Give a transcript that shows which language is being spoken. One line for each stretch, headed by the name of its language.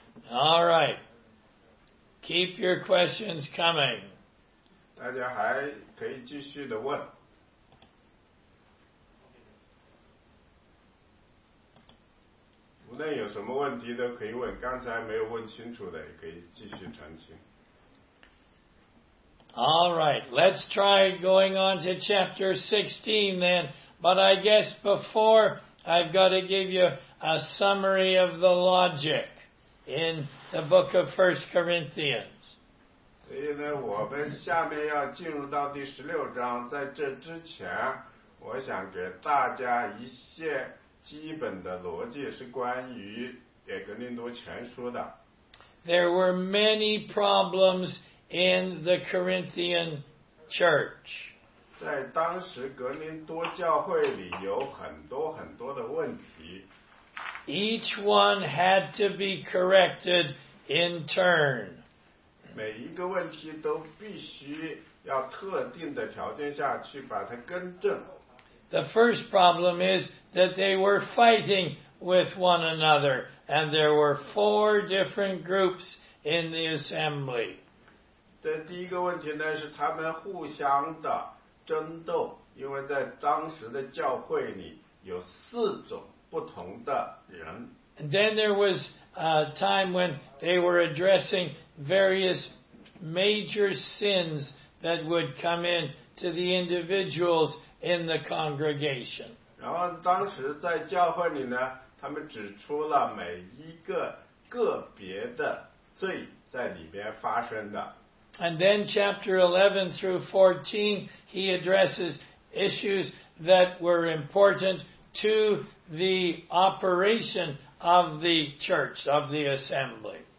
English: All right. Keep your questions coming.
Chinese: 大家还可以继续的问。无论有什么问题都可以问，刚才没有问清楚的也可以继续澄清。
English: All right, let's try going on to chapter 16 then. But I guess before I've got to give you a summary of the logic in the book of 1 Corinthians.
Chinese: 所以呢，我们下面要进入到第十六章，在这之前，我想给大家一些。基本的逻辑是关于给格林多前书的。
English: There were many problems in the Corinthian church.
Chinese: 在当时格林多教会里有很多很多的问题。
English: Each one had to be corrected in turn.
Chinese: 每一个问题都必须要特定的条件下去把它更正。
English: The first problem is that they were fighting with one another, and there were four different groups in the assembly.
Chinese: 第一个问题呢是他们互相的争斗，因为在当时的教会里有四种不同的人。
English: And then there was a time when they were addressing various major sins that would come in to the individuals. In the congregation.
Chinese: 然后当时在教会里呢，他们指出了每一个个别的罪在里边发生的。
English: And then chapter 11 through 14, he addresses issues that were important to the operation of the church, of the assembly.